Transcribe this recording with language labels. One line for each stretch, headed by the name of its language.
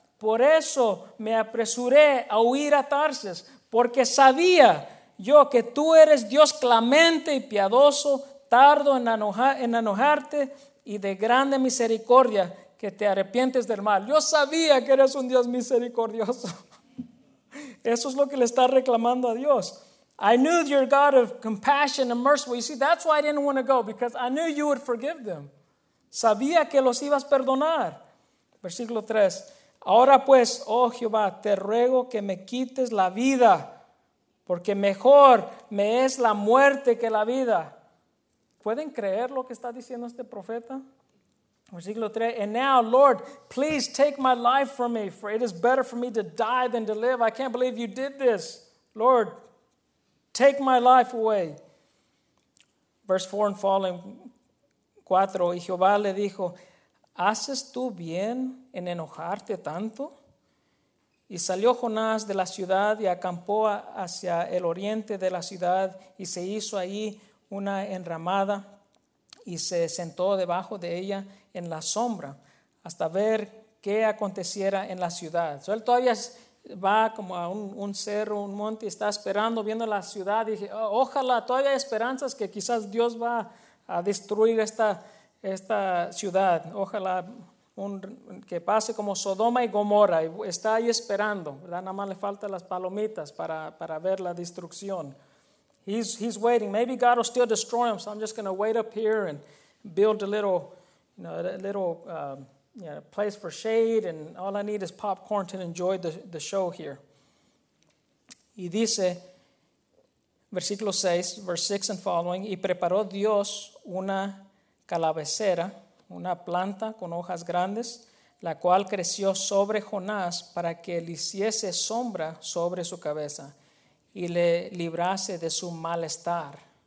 Spanish: Por eso me apresuré a huir a Tarsis, porque sabía yo que tú eres Dios clemente y piadoso, tardo en enojarte y de grande misericordia, que te arrepientes del mal. Yo sabía que eres un Dios misericordioso. Eso es lo que le está reclamando a Dios.
English: I knew you're God of compassion and mercy. You see, that's why I didn't want to go, because I knew you would forgive them.
Spanish: Sabía que los ibas a perdonar. Versículo 3. Ahora pues, oh Jehová, te ruego que me quites la vida, porque mejor me es la muerte que la vida. ¿Pueden creer lo que está diciendo este profeta? Versículo 3.
English: And now, Lord, please take my life from me, for it is better for me to die than to live. I can't believe you did this. Lord, take my life away. Verse 4 and following. 4.
Spanish: Y Jehová le dijo, ¿haces tú bien en enojarte tanto? Y salió Jonás de la ciudad y acampó hacia el oriente de la ciudad y se hizo ahí una enramada y se sentó debajo de ella en la sombra hasta ver qué aconteciera en la ciudad. So, él todavía va como a un cerro, un monte y está esperando, viendo la ciudad. Y dije, oh, ojalá, todavía hay esperanzas que quizás Dios va a destruir esta ciudad. Ojalá que pase como Sodoma y Gomorra. Y está ahí esperando, ¿verdad? Nada más le faltan las palomitas para ver la destrucción.
English: He's waiting. Maybe God will still destroy him, so I'm just going to wait up here and build a little, you know, place for shade, and all I need is popcorn to enjoy the show here.
Spanish: Y dice, versículo 6,
English: verse 6 and following,
Spanish: y preparó Dios una calabacera, una planta con hojas grandes, la cual creció sobre Jonás para que le hiciese sombra sobre su cabeza y le librase de su malestar.